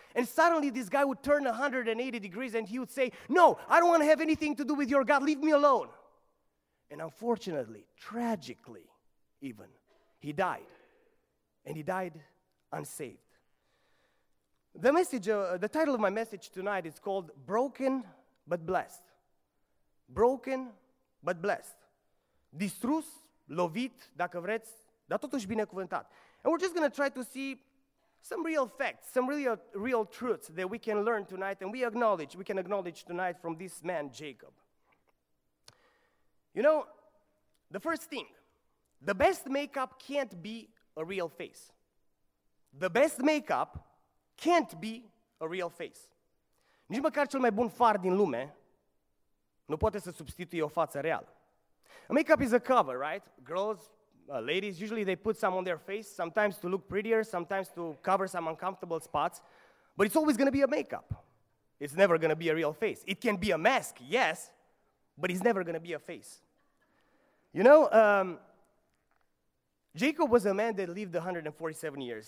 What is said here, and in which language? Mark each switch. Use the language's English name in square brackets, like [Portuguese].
[English] And suddenly this guy would turn 180 degrees and he would say, "No, I don't want to have anything to do with your God. Leave me alone." And unfortunately, tragically even, he died. And he died unsaved. The title of my message tonight is called Broken But Blessed. Broken But Blessed. [Romanian] Distrus, lovit, dacă vreți, dar totuși binecuvântat. [English] And we're just going to try to see some real facts, some real truths that we can learn tonight and we can acknowledge tonight from this man, Jacob. You know, the first thing, the best makeup can't be a real face. The best makeup can't be a real face. [Romanian] Nici măcar cel mai bun far din lume nu poate să substituie o față reală. [English] A makeup is a cover, right? Girls, ladies, usually they put some on their face, sometimes to look prettier, sometimes to cover some uncomfortable spots. But it's always going to be a makeup. It's never going to be a real face. It can be a mask, yes, but it's never going to be a face. You know, Jacob was a man that lived 147 years.